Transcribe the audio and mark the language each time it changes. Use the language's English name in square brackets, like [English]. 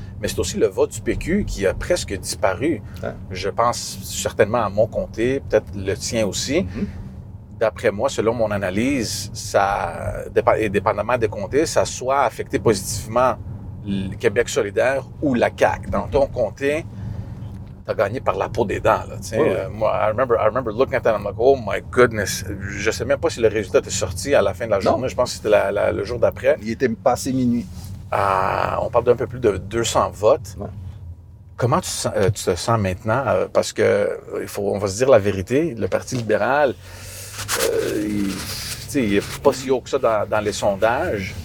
[French] Mais c'est aussi le vote du PQ qui a presque disparu. Ouais. Je pense certainement à mon comté, peut-être le tien aussi. Mm-hmm. D'après moi, selon mon analyse, ça, dépendamment des comtés, ça soit affecté positivement le Québec solidaire ou la CAQ. Dans ton comté, t'as gagné par la peau des dents. Là, oui, oui. Moi, [English] I remember looking at that, I'm like, oh my goodness. [French] Je sais même pas si le résultat était sorti à la fin de la journée. Non. Je pense que c'était le jour d'après. Il était passé minuit. On parle d'un peu plus de 200 votes. Ouais. Comment tu te sens maintenant? Parce que on va se dire la vérité, le Parti libéral, il n'est pas si haut que ça dans les sondages.